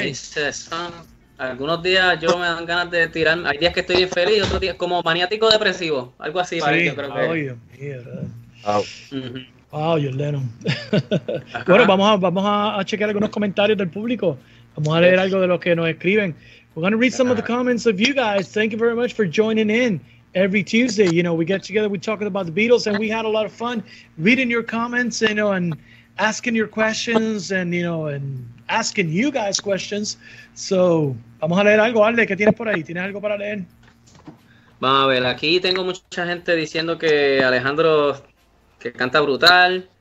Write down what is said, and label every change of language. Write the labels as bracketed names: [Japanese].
[English] he said, son, [Spanish] algunos días yo me dan ganas de tirar. Hay días que estoy infeliz, otros días como maniático depresivo. Algo así. Para sí. Yo creo que... [English] Oh, yeah. Wow. Mm-hmm. Wow, John Lennon. [Spanish] Bueno, vamos a chequear algunos comentarios del público. Vamos a leer algo de lo que nos escriben. [English] We're going to read some of the comments of you guys. Thank you very much for joining in. Every Tuesday, you know, we get together, we talk about the Beatles, and we had a lot of fun reading your comments, you know, and asking your questions, and, you know, and asking you guys questions. [Spanish] So, vamos a leer algo, Arle, ¿qué tienes por ahí? ¿Tienes algo para leer? Vamos a ver, aquí tengo mucha gente diciendo que Alejandro, que canta brutal.